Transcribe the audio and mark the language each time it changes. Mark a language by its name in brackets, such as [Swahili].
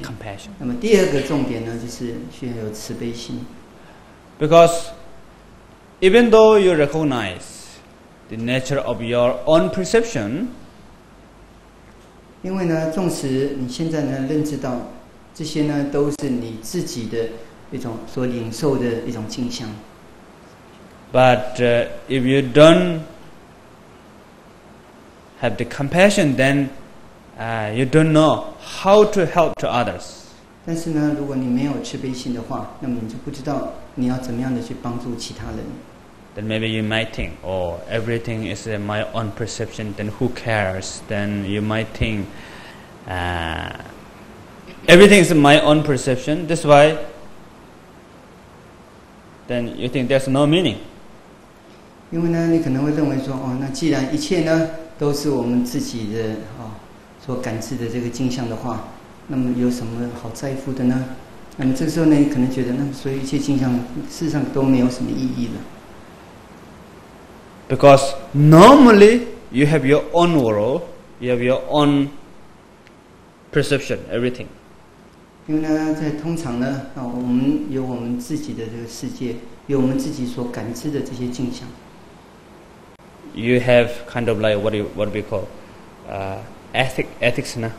[English] Compassion. [Chinese] 那么第二个重点呢，就是需要有慈悲心。 [English] Because even though you recognize the nature of your own perception, [Chinese] 因为呢，纵使你现在呢认知到这些呢都是你自己的一种所领受的一种镜像。 [English] But if you don't have the compassion, then you don't know how to help to others. [Chinese] 但是呢，如果你没有慈悲心的话，那么你就不知道你要怎么样的去帮助其他人。 [English] Then maybe you might think, "Oh, everything is my own perception. Then who cares?" Then you might think, "Everything is my own perception. That's why." Then you think there's no meaning. [Chinese] 因为呢，你可能会认为说，哦，那既然一切呢都是我们自己的哦所感知的这个镜像的话，那么有什么好在乎的呢？那么这时候呢，可能觉得那所有一切景象事实上都没有什么意义了。 [English] Because normally you have your own world, you have your own perception, everything. [Chinese] 因为呢，在通常呢，啊，我们有我们自己的这个世界，有我们自己所感知的这些景象。 [English] You have kind of like what we call, ethics 呢？